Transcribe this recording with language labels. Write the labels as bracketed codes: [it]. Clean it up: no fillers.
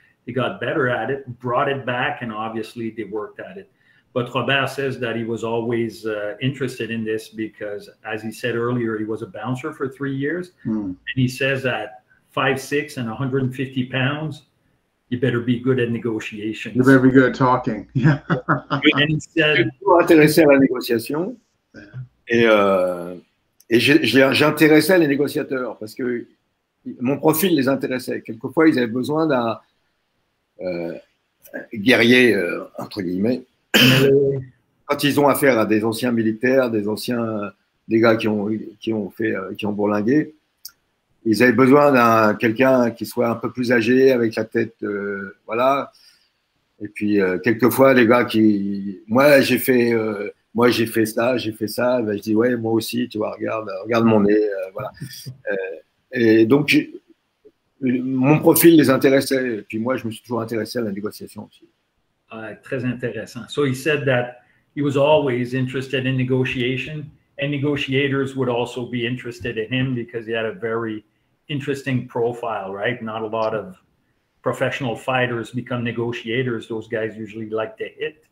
[en] They got better at it, brought it back, and obviously they worked at it. But Robert says that he was always interested in this because, as he said earlier, he was a bouncer for 3 years. And he says that 5'6" and 150 pounds, you better be good at You negotiations. better be good at talking. And he said, [fr] Intéressé à la négociation et j'intéressais les négociateurs parce que mon profil les intéressait. Quelquefois, ils avaient besoin d'un guerrier, entre guillemets, quand ils ont affaire à des anciens militaires, des anciens, des gars qui ont bourlingué. Ils avaient besoin d'un quelqu'un qui soit un peu plus âgé, avec la tête, voilà. Et puis quelquefois les gars qui, moi j'ai fait ça, j'ai fait ça. Ben, je dis ouais, moi aussi, tu vois, regarde mon nez, voilà. Et donc mon profil les intéressait. Et puis moi, je me suis toujours intéressé à la négociation aussi. Très intéressant. [en] So he said that he was always interested in negotiation, and negotiators would also be interested in him because he had a very interesting profile, right? Not a lot of professional fighters become negotiators. Those guys usually like to hit.